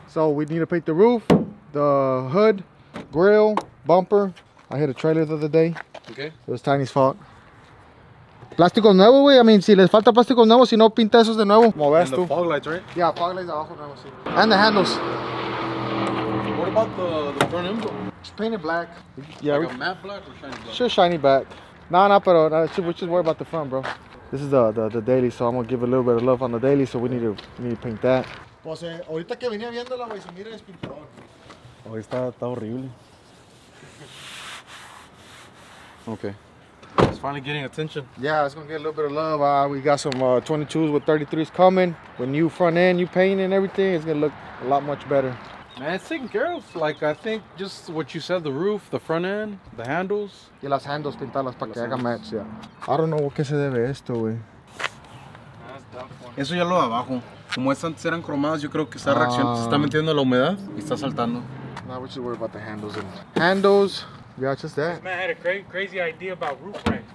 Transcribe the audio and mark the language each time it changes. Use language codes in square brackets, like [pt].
[en] So we need to paint the roof, the hood, grill, bumper. I hit a trailer the other day. Okay. It was Tiny's fault. [es] Plástico nuevo, güey. [en] I mean, [es] si les falta plástico nuevo, si no pinta esos de nuevo. Como ves tú. [en] And the fog lights, right? Yeah, fog lights [es] abajo nuevo, sí. [en] And the handles. What about the front end? Just paint it black. Yeah. Like a matte black or shiny black? Sure, shiny black. Nah, pero we should worry about the front, bro. This is the daily, so I'm gonna give a little bit of love on the daily, so we need to paint that. [es] Pues, ahorita que venía viéndola, güey, se mira despintado. Hoy está horrible. [en] Okay. It's finally getting attention. Yeah, it's gonna get a little bit of love. We got some 22s with 33s coming. With new front end, new paint and everything, it's gonna look a lot much better. Man, it's taking care of. Like, I think just what you said, the roof, the front end, the handles. [es] Y las handles pintarlas para que haga match, yeah. [en] I don't know what [es] que se debe esto, güey. Eso ya lo abajo. Como estas eran cromadas, yo creo que esa reacción se está metiendo la humedad y está saltando. [en] Now we should worry about the handles. And... Handles, yeah, just that. This man had a crazy idea about roof racks,